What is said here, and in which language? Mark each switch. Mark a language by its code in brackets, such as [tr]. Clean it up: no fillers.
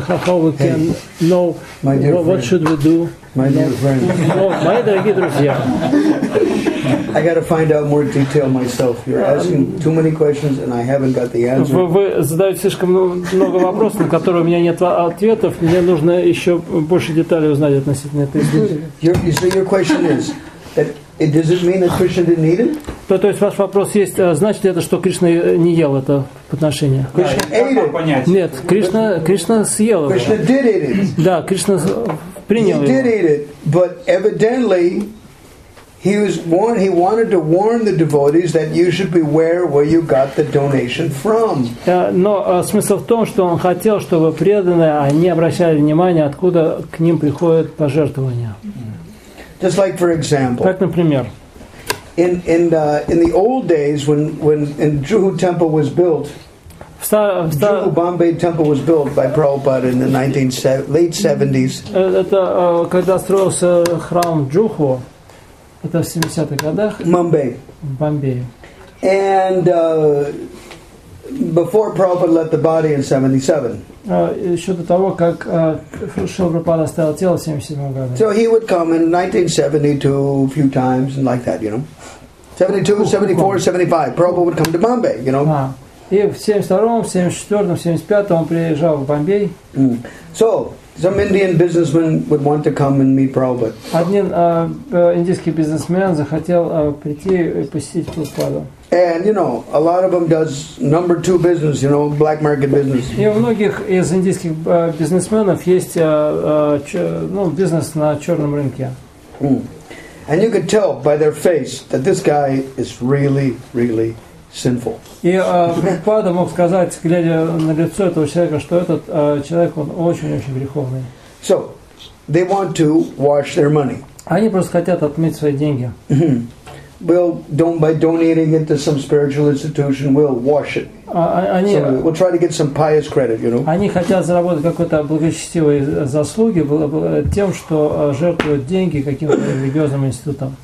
[en] How we can know what should we do? My dear friend. I got to find out more detail myself. You're asking too many questions, and I haven't got the answer. [ru] Вы задаете слишком много вопросов, на которые у меня нет ответов. Мне нужно еще больше деталей узнать относительно этой истории. [en] So your question is that it doesn't mean that Krishna didn't eat it? [ru] То есть ваш вопрос есть, значит ли это, что Кришна не ел это подношение? [en] Krishna ate it. [ru] Нет, Кришна съел это. [en] Krishna did eat it. [ru] Да, Кришна принял его. [en] He did eat it, but evidently he was warned. He wanted to warn the devotees that you should beware where you got the donation from. [ru] Но смысл в том, что он хотел, чтобы преданные они обращали внимание, откуда к ним приходят пожертвования. [en] Just like for example. [ru] Так, например. [en] In the old days, when Juhu Temple was built, Juhu Bombay Temple was built by Prabhupada in the late 70s. [ru] Это когда строился храм Джуху. Это в 70-х годах. Мумбай. Бомбей. [en] And before Prabhupada left the body in 77. [ru] Еще до того, как Шрила Прабхупада оставил тело в 77-м году. [en] So he would come in 1972 a few times and like that, you know. 72, 74, 75. Prabhupada would come to Bombay, you know. [ru] И в 72-м, 74-м, 75-м он приезжал в Бомбей. [en] So some Indian businessman would want to come and meet Prabhupada. [ru] Один индийский бизнесмен захотел прийти и посетить Прабхупаду. [en] And you know, a lot of them does number two business, you know, black market business. [ru] И у многих из индийских бизнесменов есть бизнес на черном рынке. [en] And you could tell by their face that this guy is really, really sinful. [ru] И Прабхупада мог сказать, глядя на лицо этого человека, что этот человек, он очень-очень греховный. [en] So, they want to wash their money. [ru] Они просто хотят отмыть свои деньги. [en] Well, by donating it to some spiritual institution, we'll wash it. We'll try to get some pious credit, you know. [ru] Они хотят заработать какой-то благочестивые заслуги тем, что жертвуют деньги каким-то религиозным институтом.